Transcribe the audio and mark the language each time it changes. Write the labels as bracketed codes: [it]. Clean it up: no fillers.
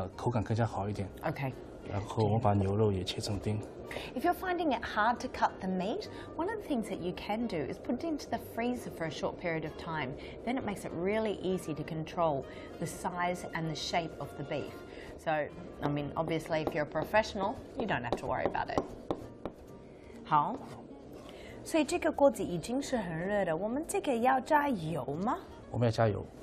[zh] 我们先把蔬菜跟牛肉切成丁，先把青椒的两个调跟尾去掉。所以我们这次既要用这个驴的辣椒是吧？嗯，对。不要有不同的颜色吗？嗯，对，这个菜是你自己想的吗？嗯，对，这个菜的话应该是之前因为我们酒店的外国人比较多。嗯，外国人的话对中国的炒饭的话，他们可能对扬州炒饭上比较熟悉，但他们喜欢吃黄油啊、大蒜啊，所以我们就是设计了一道炒饭。嗯，这里的人可能更多的是旅游的人是吧？对对对，可能是还没有接受这个中国菜。对。所以是你这里为什么要切的这么小？因为炒饭切的小一点的话，口感更加好一点。OK。然后我们把牛肉也切成丁。 [en] If you're finding it hard to cut the meat, one of the other things that you can do is put it into the freezer for a short period of time. Then it makes it really easy to control the size and the shape of the beef. So, I mean, obviously, if you're a professional, you don't have to worry about it. [zh] 好, 所以这个锅子已经是很热的。我们这个要加油吗？我们要加油。